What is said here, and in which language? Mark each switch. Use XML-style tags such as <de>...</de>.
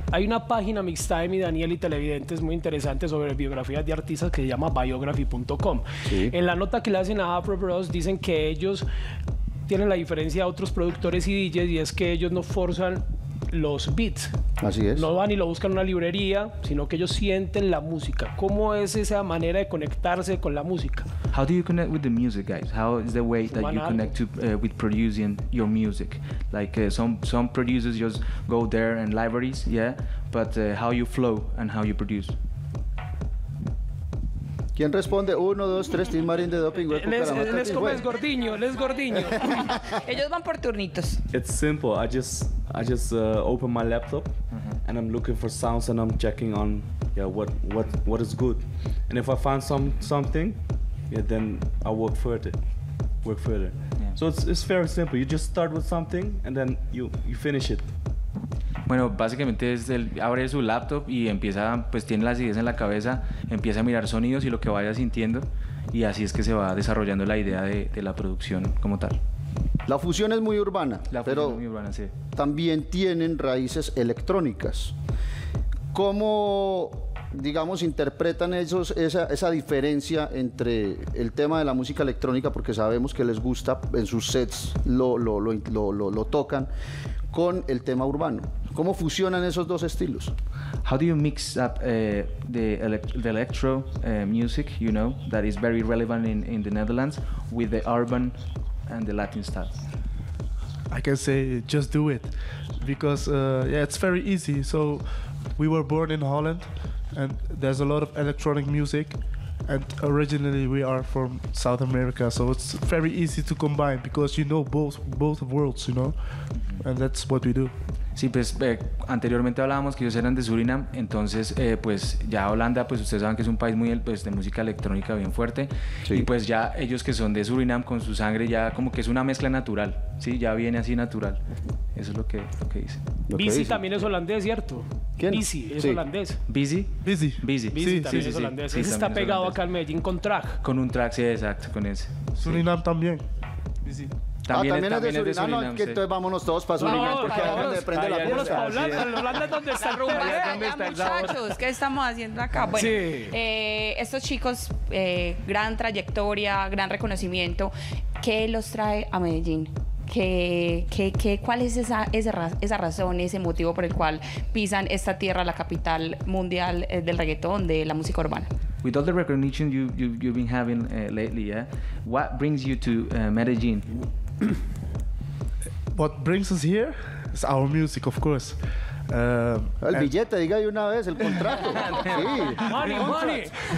<es>Hay una página mixta de mi Daniel y televidentes muy interesante sobre biografías de artistas que se llama biography.com. Sí. En la nota que le hacen a Afro Bros dicen que ellos tienen la diferencia a otros productores y DJs, y es que ellos no forzan los beats. Así es. No van y lo buscan en una librería, sino que ellos sienten la música. ¿Cómo es esa manera de conectarse con la música?</es> <en>How do you connect with the music, guys? How is the way that you connect to with producing your music? Like some producers just go there and libraries, yeah, but how you flow and how you produce.</en> <es>¿Quién responde? Uno, dos, tres, Tim Marín de Doping. Les como es Gordiño, les Gordiño. Ellos van por turnitos.</es> <en>It's simple. I just open my laptop, uh-huh, and I'm looking for sounds and I'm checking on what is good. And if I find something, then I work further. Yeah. So it's very simple. You just start with something and then you finish it.</en> <es>Bueno, básicamente es él abre su laptop y empieza, pues tiene las ideas en la cabeza, empieza a mirar sonidos y lo que vaya sintiendo, y así es que se va desarrollando la idea de la producción como tal. La fusión es muy urbana, pero es muy urbana, sí. También tienen raíces electrónicas. ¿Cómo, digamos, interpretan ellos esa diferencia entre el tema de la música electrónica, porque sabemos que les gusta, en sus sets lo tocan, con el tema urbano? ¿Cómo fusionan esos dos estilos?</es> <en>How do you mix up the electro music, you know, that is very relevant in the Netherlands with the urban and the Latin style? I can say just do it, because it's very easy. So we were born in Holland and there's a lot of electronic music, and originally we are from South America, so it's very easy to combine because you know both worlds, you know, and that's what we do.</en> <es>Sí, pues anteriormente hablábamos que ellos eran de Surinam, entonces pues ya Holanda, pues ustedes saben que es un país muy pues de música electrónica bien fuerte, sí. Y pues ya ellos que son de Surinam con su sangre ya como que es una mezcla natural, sí, ya viene así natural. Eso es lo que dice. Bizzy también es holandés, ¿cierto? ¿Quién? Bizzy es holandés. ¿Bizzy? Bizzy. Bizzy también es holandés. Ese está pegado acá en Medellín con track. Con un track, sí, exacto, con ese. Surinam también. Bizzy. También es de Surinam. No, es que entonces vámonos todos para Surinam, porque acaban de prender la puerta. Holanda, Holanda, ¿dónde está Rumba? ¿Dónde está el sabor? Muchachos, ¿qué estamos haciendo acá? Bueno, sí. Estos chicos, gran trayectoria, gran reconocimiento. ¿Qué los trae a Medellín? ¿Cuál es esa razón, ese motivo por el cual pisan esta tierra, la capital mundial del reggaetón, de la música urbana?</es> <en>With all the recognition you've been having lately, yeah, what brings you to Medellín? What brings us here is our music, of course.</en> <es>El billete, diga de una vez, el contrato. Sí.</es> <en>Money, money.</en>